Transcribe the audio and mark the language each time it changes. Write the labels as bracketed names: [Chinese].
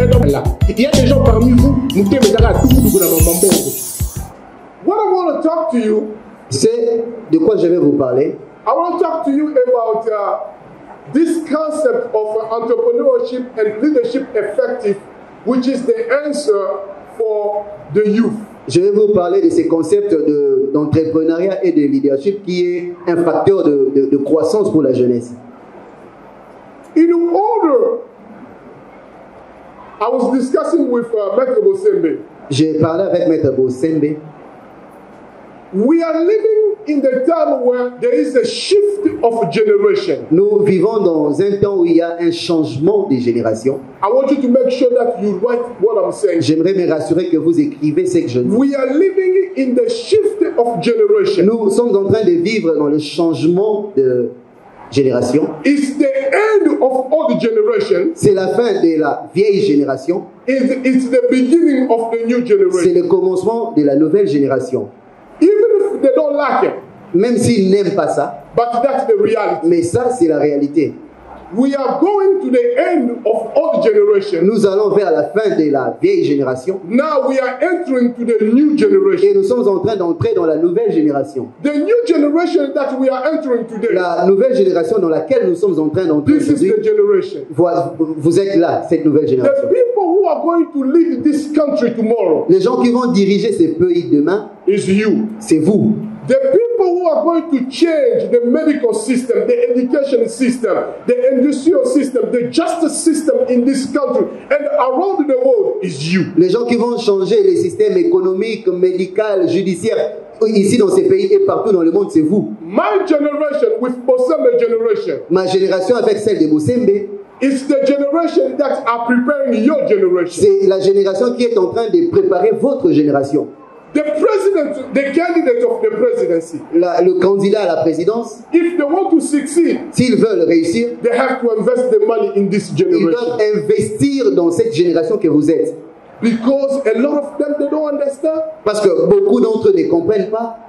[French] Il y a des gens parmi vous, nous t'aimons à tout le monde. [English] What I want to talk to you, [French] c'est de quoi je vais vous parler. [English] I want to talk to you about this concept of entrepreneurship and leadership effective, which is the answer for the youth. [French] Je vais vous parler de ces concepts d'entrepreneuriat et de leadership qui est un facteur de croissance pour la jeunesse. [English] In order, I was discussing with Maître Bosembe. [French] J'ai parlé avec Maître Bosembe. [English] We are living in the time where there is a shift of generation. [French] Nous vivons dans un temps où il y a un changement de génération. [English] I want you to make sure that you write what I'm saying. [French] J'aimerais me rassurer que vous écrivez ce que je dis. [English] We are living in the shift of generation. [French] Nous sommes en train de vivre dans le changement de génération. [English] It's the end of old generation. [French] C'est la fin de la vieille génération. [English] It's the beginning of the new generation. [French] C'est le commencement de la nouvelle génération. [English] Even if they don't like it, [French] même s'ils n'aiment pas ça, [English] but that's the reality. [French] Mais ça, c'est la réalité. [English] We are going to the end of old generation. [French] Nous allons vers la fin de la vieille génération. [English] Now we are entering to the new generation. [French] Et nous sommes en train d'entrer dans la nouvelle génération. [English] The new generation that we are entering today. [French] La nouvelle génération dans laquelle nous sommes en train d'entrer. [English] This is the generation. [French] Vous êtes là, cette nouvelle génération. [English] The people who are going to lead this country tomorrow. [French] Les gens qui vont diriger ce pays demain. [English] Is you. [French] C'est vous. [English] The people who are going to change the medical system, the education system, the industrial system, the justice system in this country and around the world is you. [French] Les gens qui vont changer les systèmes économiques, médical, judiciaire ici dans ces pays et partout dans le monde, c'est vous. [English] My generation with Bosembe generation. [French] Ma génération avec celle de Bosembe. [English] It's the generation that are preparing your generation. [French] C'est la génération qui est en train de préparer votre génération. [English] The president, the candidate of the presidency. [French] Le candidat à la présidence. [English] If they want to succeed, [French] s'ils veulent réussir, [English] they have to invest the money in this generation. [French] Ils doivent investir dans cette génération que vous êtes. [English] Because a lot of them they don't understand. [French] Parce que beaucoup d'entre eux ne comprennent pas.